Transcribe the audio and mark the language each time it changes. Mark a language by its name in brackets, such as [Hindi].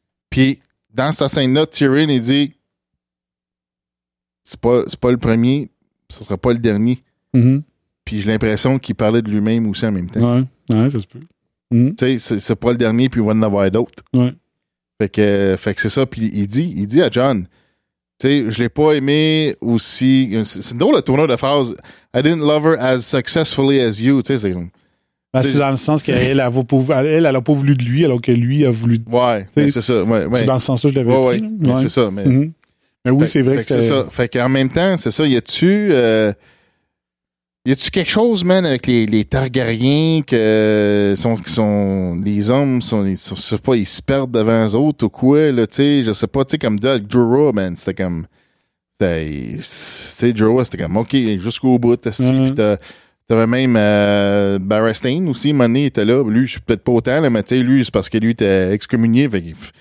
[French] Puis dans cette scène-là, Tyrion, il dit c'est pas le premier, ce sera pas le dernier. Mm-hmm. Puis j'ai l'impression qu'il parlait de lui-même aussi en même temps. Ouais, ça se peut. Mm-hmm. Tu sais, c'est pas le dernier, puis il va en avoir d'autres. Ouais. Fait que c'est ça, puis il dit à John. Tu sais, je l'ai pas aimé aussi. C'est drôle le tournoi de phrase. [English] I didn't love her as successfully as you. [French] Tu sais, c'est comme. C'est dans le sens qu'elle a pas voulu de lui alors que lui a voulu de. Ouais, c'est ça. Ouais, ouais. C'est dans le sens que je l'avais pris. Ouais, c'est ça. Mais, mm-hmm. Mais oui, c'est vrai que c'est ça. Fait qu'en même temps, c'est ça. Y a-tu quelque chose, man, avec les Targaryens qui sont les hommes, ils se perdent devant eux autres ou quoi, là, tu sais, je sais pas, tu sais, comme Jorah, man, c'était comme, c'était ok, jusqu'au bout, t'as si, pis t'avais même Barristan aussi, Manny était là, lui, je suis peut-être pas autant, là, mais tu sais, lui, c'est parce que lui était excommunié, fait qu'il.